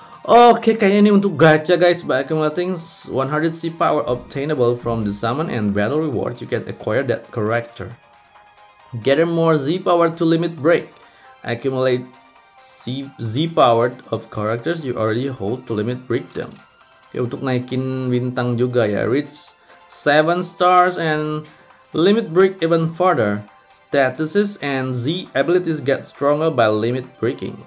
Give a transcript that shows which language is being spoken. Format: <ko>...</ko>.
<id>Oke, kayaknya ini untuk gacha guys.</id> <en>By accumulating 100 C power obtainable from the summon and battle reward, you can acquire that character. Gather more Z power to limit break. Accumulate Z power of characters you already hold to limit break them.</en> <id>Oke, untuk naikin bintang juga ya.</id> <en>Reach 7 stars and limit break even further. Statuses and Z abilities get stronger by limit breaking.</en>